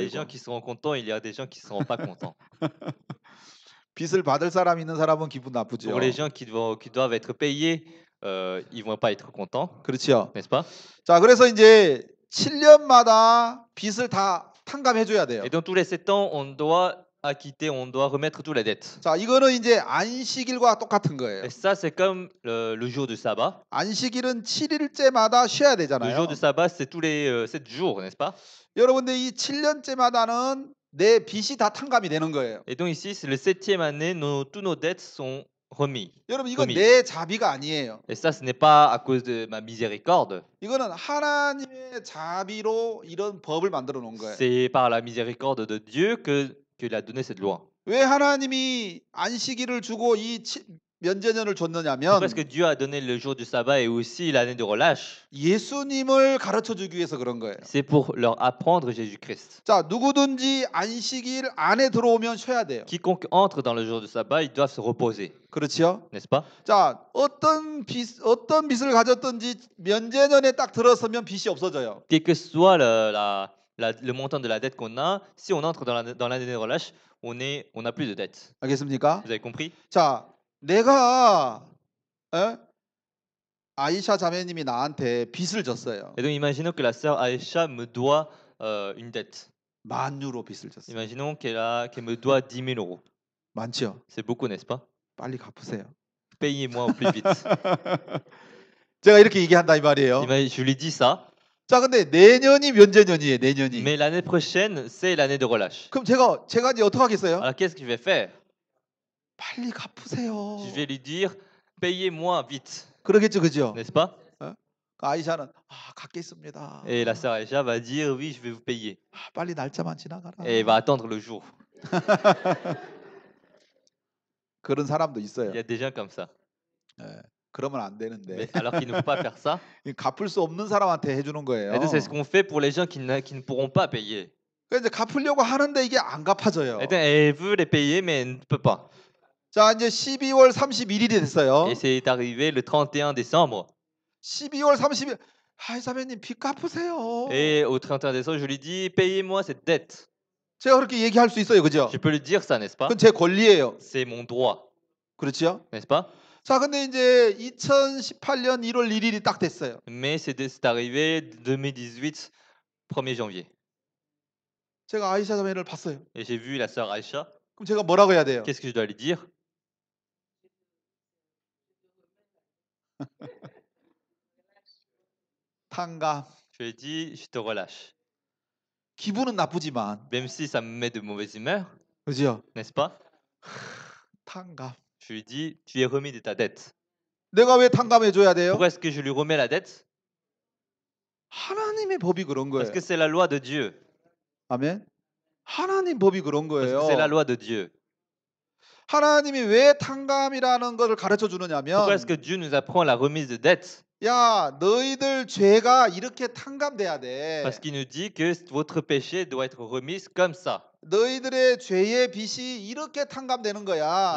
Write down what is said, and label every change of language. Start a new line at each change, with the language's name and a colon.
Korean: 있고.
French: Il y a des gens qui sont contents, il y a des gens qui sont pas contents.
Korean: 빚을 받을 사람 있는 사람은 기분 나쁘죠.
French: Pour les gens qui doivent être payés, ils vont pas être contents.
Korean: 그렇죠.
French: N'est-ce pas?
Korean: 자, 그래서 이제 7년마다 빚을 다 탕감해 줘야 돼요.
French: Et donc tous les 7 ans, on doit acquitter, on doit remettre toutes les dettes.
Korean: 자, 이거는 이제 안식일과 똑같은 거예요.
French: Et ça c'est comme le jour du sabbat.
Korean: 안식일은 7일째마다 쉬어야 되잖아요.
French: Le jour du sabbat, c'est tous les 7 jours, n'est-ce pas?
Korean: 여러분들 이 7년째마다는 내 빚이 다 탕감이 되는 거예요.
French: Et donc ici, c'est le septième année, toutes nos dettes sont remis.
Korean: 여러분, 이건 내 자비가 아니에요.
French: Et ça, ce n'est pas à cause de ma miséricorde.
Korean: 이거는 하나님의 자비로 이런 법을 만들어 놓은 거예요.
French: C'est par la miséricorde de Dieu qu'il a donné cette loi.
Korean: 왜 하나님이 안식일을 주고 이 면제년을 줬느냐면
French: Pourquoi est-ce que Dieu a donné le jour du sabbat et aussi l'année de relâche?
Korean: 예수님을 가르쳐 주기 위해서 그런 거예요.
French: C'est pour leur apprendre Jésus-Christ.
Korean: 자, 누구든지 안식일 안에 들어오면 쉬어야 돼요.
French: Quiconque entre dans le jour du sabbat, il doit se reposer.
Korean: 그렇죠?
French: N'est-ce pas?
Korean: 자, 어떤 빚을 가졌든지 면제년에 딱 들어서면 빚이 없어져요.
French: Quel que soit le montant de la dette qu'on a, si on entre dans l'année de relâche, on n'a plus de dette.
Korean: 알겠습니까?
French: Vous avez compris?
Korean: 자, 내가 아이샤 자매님이 나한테 빚을 졌어요.
French: Et donc imaginons que la sœur Aïcha me doit une dette.
Korean: 만 유로 빚을 졌어요.
French: Imaginons qu'elle me doit 10,000 euros.
Korean: 많죠?
French: C'est beaucoup, n'est-ce pas?
Korean: 빨리 갚으세요.
French: Payez-moi au plus vite.
Korean: 제가 이렇게 얘기한다 이 말이에요.
French: Je lui dis ça.
Korean: 자 근데 내년이 면제년이에요. 내년이.
French: Mais l'année prochaine c'est l'année de relâche.
Korean: 그럼 제가 이제 어떻게 하겠어요?
French: Alors qu'est-ce que je vais faire?
Korean: 빨리 갚으세요.
French: Je vais lui dire payez-moi vite.
Korean: 그러겠죠, 그죠?
French: N'est-ce pas?
Korean: 아이샤는 갚겠습니다.
French: Et la sœur Aïcha va dire oui, je vais vous payer.
Korean: 빨리 날짜만 지나가라.
French: Et va attendre le jour.
Korean: 그런 사람도 있어요.
French: Il y a des gens comme ça.
Korean: 그러면 안 되는데.
French: Alors qu'ils ne peuvent pas faire ça.
Korean: 갚을 수 없는 사람한테 해주는 거예요.
French: Et donc c'est ce qu'on fait pour les gens qui ne pourront pas payer.
Korean: 그래서 갚으려고 하는데 이게 안 갚아져요.
French: Et donc elle voulait payer mais elle ne peut pas.
Korean: 자 이제 12월 31일이 됐어요.
French: Et c'est arrivé le 31 décembre.
Korean: 12월 31일. 아이 사배님 빚 갚으세요.
French: Et au 31 décembre, je lui dis payez-moi cette dette.
Korean: 제가 그렇게 얘기할 수 있어요. 그죠?
French: Je peux le dire ça, n'est-ce pas?
Korean: 그건 제 권리예요.
French: C'est mon droit.
Korean: 그렇죠?
French: N'est-ce pas?
Korean: 자 근데 이제 2018년 1월 1일이 딱 됐어요.
French: Mais c'est arrivé 2018 1er janvier.
Korean: 제가 아이샤 사배를 봤어요.
French: Et j'ai vu la sœur Aïcha.
Korean: 그럼 제가 뭐라고 해야 돼요?
French: Qu'est-ce que je dois lui dire?
Korean: 탕가.
French: Je dis, je te relâche.
Korean: 기분은 나쁘지만.
French: Même si ça me met de mauvaise humeur.
Korean: 그죠?
French: N'est-ce pas?
Korean: 탕가.
French: Je lui dis, tu es remis de ta dette.
Korean: 내가 왜 탕감해 줘야 돼요?
French: Pourquoi est-ce que je lui remets la dette?
Korean: 하나님의 법이 그런 거예요.
French: Parce que c'est la loi de Dieu.
Korean: 아멘. 하나님 법이 그런 거예요.
French: Parce que c'est la loi de Dieu.
Korean: 하나님이 왜 탕감이라는 것을 가르쳐 주느냐면
French: Pourquoi est-ce que Dieu nous apprend la remise de dette?
Korean: 야, 너희들 죄가 이렇게 탕감돼야 돼.
French: Parce qu'il nous dit que votre péché doit être remis comme ça.
Korean: 너희들의 죄의 빚이 이렇게 탕감되는 거야.